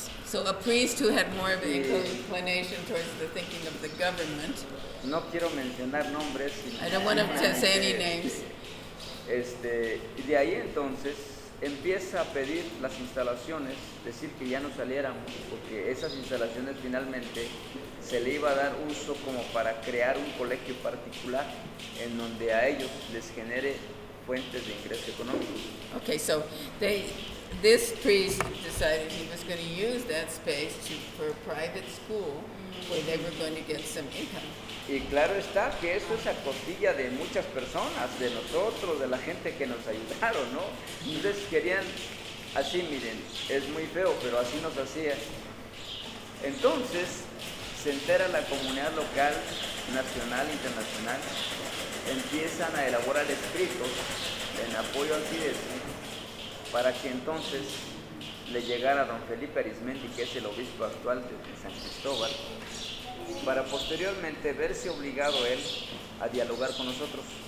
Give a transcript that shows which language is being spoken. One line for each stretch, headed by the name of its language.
English: So a priest who had more of an inclination towards the thinking of the government.
Spanish: No quiero mencionar nombres.
English: I don't want to say any names.
Spanish: Este, de ahí entonces empieza a pedir las instalaciones, decir que ya no saliéramos, porque esas instalaciones finalmente se le iba a dar uso como para crear un colegio particular en donde a ellos les genere fuentes de ingreso económico.
English: Okay, so this priest decided he was going to use that space to, for a private school where they were going to get some income.
Spanish: Y claro está que eso es a costilla de muchas personas, de nosotros, de la gente que nos ayudaron, ¿no? Entonces querían, así miren, es muy feo, pero así nos hacía. Entonces se entera la comunidad local, nacional, internacional, empiezan a elaborar escritos en apoyo al CIDES para que entonces le llegara a don Felipe Arizmendi, que es el obispo actual de San Cristóbal, para posteriormente verse obligado él a dialogar con nosotros.